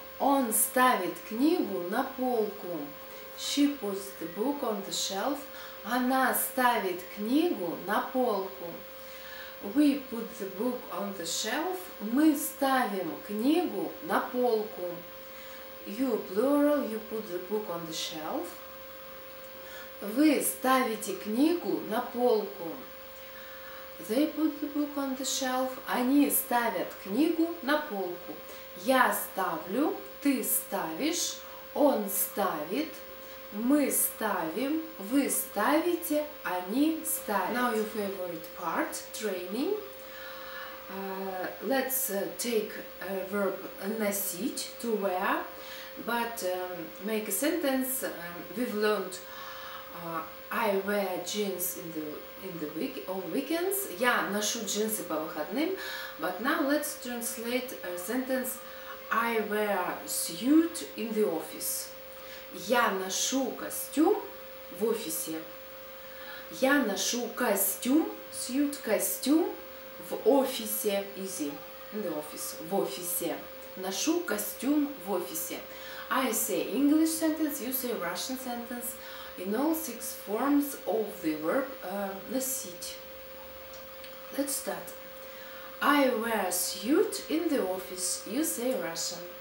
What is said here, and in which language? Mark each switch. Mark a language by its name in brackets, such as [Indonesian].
[Russian] Он ставит книгу на полку. [English] She puts the book on the shelf. [Russian] Она ставит книгу на полку. [English] We put the book on the shelf. [Russian] Мы ставим книгу на полку. [English] You plural, you put the book on the shelf. [Russian] Вы ставите книгу на полку. [English] They put the book on the shelf. [Russian] Они ставят книгу на полку. Я ставлю, ты ставишь, он ставит, мы ставим, вы ставите, они ставят. [English] Now your favorite part, training. Let's take a verb носить, to wear, but make a sentence. We've learned. I wear jeans on weekends. [Russian] Я ношу джинсы по выходным. [English] But now let's translate a sentence. I wear suit in the office. [Russian] Я ношу костюм в офисе. Я ношу костюм, suit, костюм в офисе. [English] Easy. In the office. [Russian] В офисе. Ношу костюм в офисе. [English] I say English sentence, you say Russian sentence in all six forms of the verb носить. Let's start. I wear a suit in the office, you say Russian.